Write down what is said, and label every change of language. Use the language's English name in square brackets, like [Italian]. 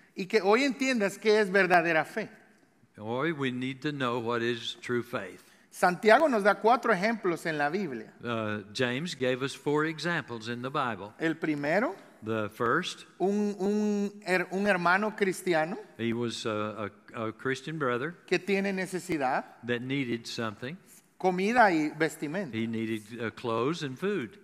[Spanish] Y que hoy entiendas qué es verdadera fe. Hoy [English] we need to know what is true faith. [Spanish] Santiago nos da cuatro ejemplos en la Biblia. [English] James gave us four examples in the Bible. [Spanish] El primero. [English] The first. [Spanish] Un hermano cristiano. [English] He was a Christian brother. [Spanish] Que tiene necesidad. [English] That needed something. [Spanish] Comida y vestimenta. [English] He needed clothes and food.